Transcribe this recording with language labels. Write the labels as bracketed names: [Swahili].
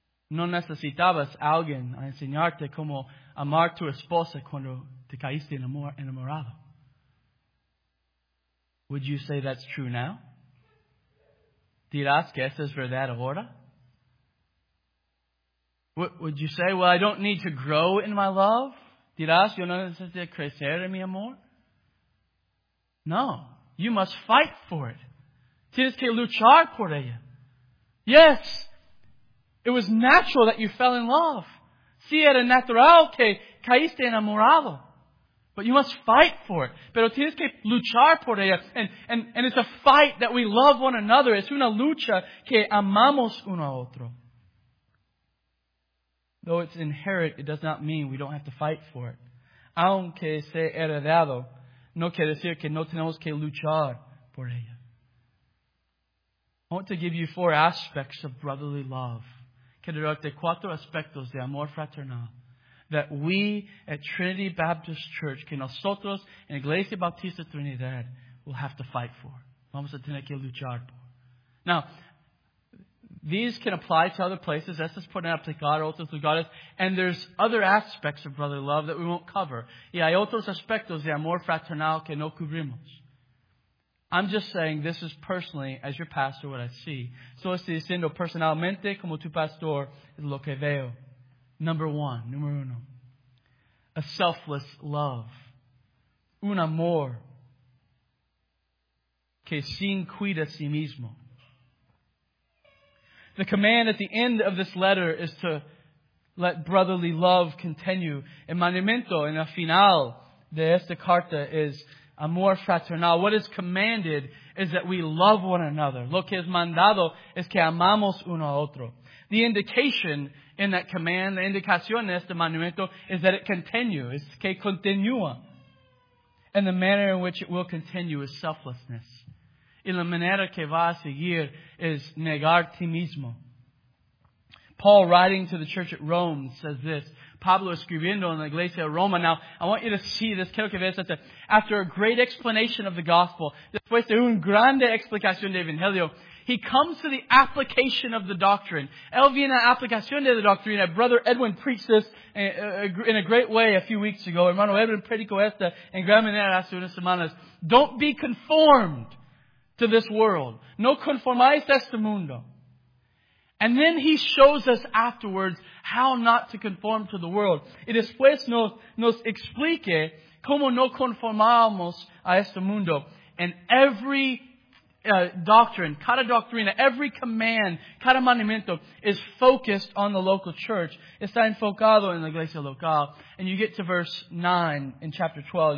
[Spanish] No necesitabas alguien a enseñarte cómo amar tu esposa cuando te caíste enamorado. [English] Would you say that's true now? [Spanish] ¿Dirás que eso es verdad ahora? [English] Would you say, well, I don't need to grow in my love? [Spanish] ¿Dirás, yo no necesito crecer en mi amor? [English] No. You must fight for it. [Spanish] Tienes que luchar por ella. [English] Yes. It was natural that you fell in love. [Spanish] Sí, era natural que caíste enamorado. [English] But you must fight for it. [Spanish] Pero tienes que luchar por ella. [English] And it's a fight that we love one another. [Spanish] Es una lucha que amamos uno a otro. [English] Though it's inherent, it does not mean we don't have to fight for it. [Spanish] Aunque sea heredado, no quiere decir que no tenemos que luchar por ella. [English] I want to give you four aspects of brotherly love. [Spanish] Quiero darte cuatro aspectos de amor fraternal. [English] That we at Trinity Baptist Church, [Spanish] que nosotros en Iglesia Bautista Trinidad, [English] will have to fight for. [Spanish] Vamos a tener que luchar por. [English] Now, these can apply to other places. [Spanish] Estas pueden aplicar a otros lugares. [English] And there's other aspects of brotherly love that we won't cover. [Spanish] Y hay otros aspectos de amor fraternal que no cubrimos. [English] I'm just saying this is personally, as your pastor, what I see. [Spanish] So estoy diciendo personalmente como tu pastor es lo que veo. Número uno. [English] A selfless love. [Spanish] Un amor que sin cuida a sí mismo. [English] The command at the end of this letter is to let brotherly love continue. [Spanish] El mandamiento en el final de esta carta es amor fraternal. [English] What is commanded is that we love one another. [Spanish] Lo que es mandado es que amamos uno a otro. [English] The indication in that command, the [Spanish] indicación en este mandamiento [English] is that it continues. [Spanish] Es que continúa. [English] And the manner in which it will continue is selflessness. [Spanish] Y la manera que va a seguir es negar ti mismo. [English] Paul, writing to the church at Rome, says this. [Spanish] Pablo escribiendo en la iglesia de Roma. [English] Now, I want you to see this. [Spanish] Quiero que veas esto. [English] After a great explanation of the gospel, [Spanish] después de una grande explicación del evangelio, [English] He comes to the application of the doctrine. [Spanish] Él viene a la aplicación de la doctrina. [English] Brother Edwin preached this in a great way a few weeks ago. [Spanish] Hermano Edwin predicó esta en gran manera hace unas semanas. [English] Don't be conformed to this world. [Spanish] No conformáis a este mundo. [English] And then he shows us afterwards how not to conform to the world. [Spanish] Y después nos explique cómo no conformamos a este mundo. [English] And every doctrine, [Spanish] cada doctrina, [English] every command, [Spanish] cada mandamiento [English] is focused on the local church. [Spanish] Está enfocado en la iglesia local. [English] And you get to verse 9 in chapter 12.